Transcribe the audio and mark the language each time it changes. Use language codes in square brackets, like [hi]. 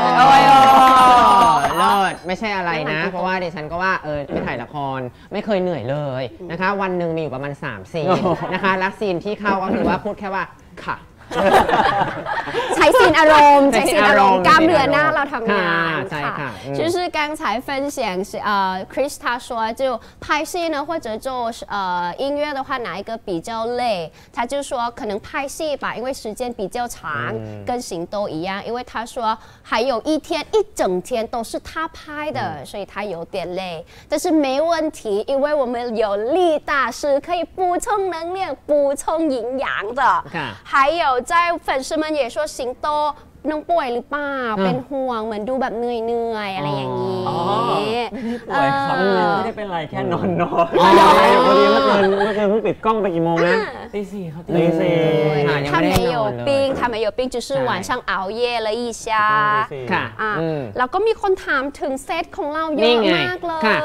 [th] โอ้ยโลดไม่ใช่อะไรนะเพราะว่าดิฉันก็ว่าไม่ถ่ายละครไม่เคยเหนื่อยเลยนะคะวันนึงมีอยู่ประมาณ3ซีนนะคะและซีนที่เข้าก็คือว่าพูดแค่ว่าค่ะ ใช้ซีนอารมณ์ใช้ซีนอารมณ์กล้ามเนื้อหน้าเราทำงาน ค่ะ [zh] 就是刚才分享是Chris 他说就拍戏呢或者做音乐的话哪一个比较累他就说可能拍戏吧因为时间比较长跟行都一样因为他说还有一天一整天都是他拍的所以他有点累但是没问题因为我们有力大师可以补充能量补充营养的还有在粉丝们也说สิงโต [th] น้องป่วยหรือเปล่าเป็นห่วงเหมือนดูแบบเหนื่อยๆอะไรอย่าง นี ้ป่วยครับไม่ได้เป็นไรแค่นอนน้อย เมื่อกี้เมื่อกี้เพิ่งปิดกล้องไปกี่โมงนะ ตี 4 ทำไมโยปิ้งทำไมโยปิ้งจะชื่อหวานช่างเอาเย่และอีชา ค่ะ แล้วก็มีคนถามถึงเซตของเราเยอะมากเลย